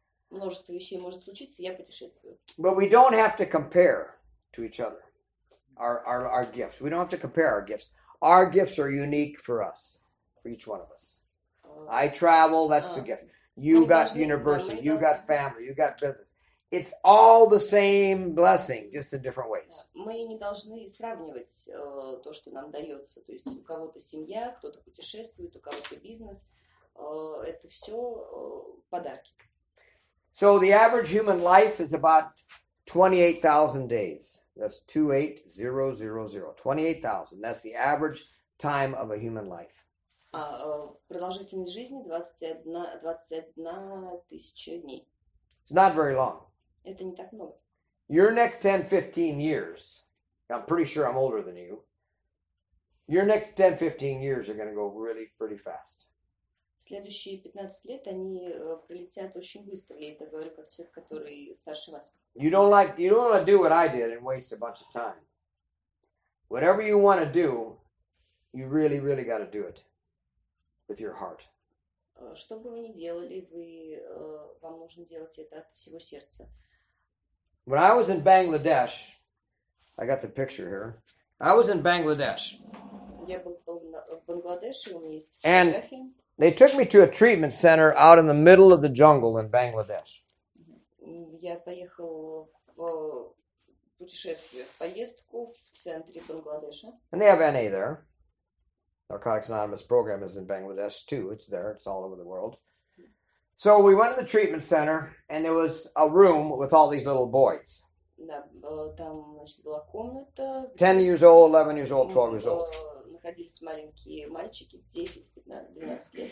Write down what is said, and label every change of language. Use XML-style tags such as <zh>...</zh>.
<ru>Множество вещей может случиться, я путешествую.</ru> <en>But we don't have to compare to each other. Our gifts. We don't have to compare our gifts. Our gifts are unique for us, for each one of us. I travel, that's the gift. You got university, you got family, you got business. It's all the same blessing, just in different ways.</en> <ru>Мы не должны сравнивать то, что нам дается. То есть у кого-то семья, кто-то путешествует, у кого-то бизнес. Это все подарки.</ru> <en>So the average human life is about 28,000 days. That's 28,000. 28,000. That's the average time of a human life.</en> <ru>Продолжительность жизни 21,000 дней.</ru> <en>It's not very long.</en> <ru>Это не так много.</ru> <en>Your next 10-15 years, I'm pretty sure I'm older than you, your next 10-15 years are going to go really pretty fast.</en> <ru>Следующие 15 лет, они пролетят очень быстро. Я это говорю как человек, который старше вас.</ru> <en>You don't want to do what I did and waste a bunch of time. Whatever you want to do, you really, really got to do it with your heart.</en> <ru>Что бы вы ни делали, вам нужно делать это от всего сердца.</ru> <en>When I was in Bangladesh, I got the picture here. I was in Bangladesh.</en> <ru>Я был в Бангладеше, у меня есть фотография.</ru> <en>And they took me to a treatment center out in the middle of the jungle in Bangladesh.</en> <ru>Я поехал в путешествие, в поездку в центре Бангладеша.</ru> <en>And they have NA there. Narcotics Anonymous program is in Bangladesh too. It's there. It's all over the world. So we went to the treatment center, and there was a room with all these little boys. 10 years old, 11 years old, 12 years old.</en>